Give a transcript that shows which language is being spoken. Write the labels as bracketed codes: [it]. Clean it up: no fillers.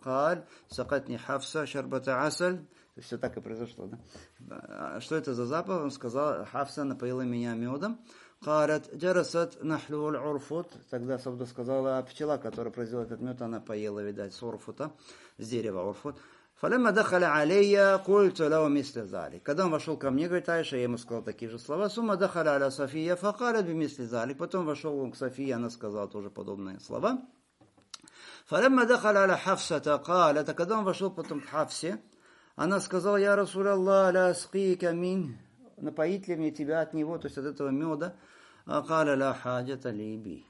[ar] Каль, сакатни хафса, шарбата асаль. [ru] Все так и произошло, да? Что это за запах? Он сказал, хафса напоила меня медом. [ar] Калят джарасат нахлюл урфут. [ru] Тогда Сауда сказал, пчела, которая произвела этот мед, она поела, видать, с урфута, с дерева урфут. [ar] فلما دخل علي قلت له مثل ذلك. [ru] Когда он вошел ко мне, говорит Айша, я ему сказал такие же слова. [ar] ثم دخل على صفية فقالت بمثل ذلك. [ru] Потом вошел он к Софии, она сказала тоже подобные слова. [ar] فلما دخل على حفصة قالت. [ru] Когда он вошел потом к Хафсе, она сказала: [ar] يا رسول الله لا أسقيك من, [ru] напоить ли мне тебя от него, то есть от этого меда. [ar] قال لا حاجة لي به.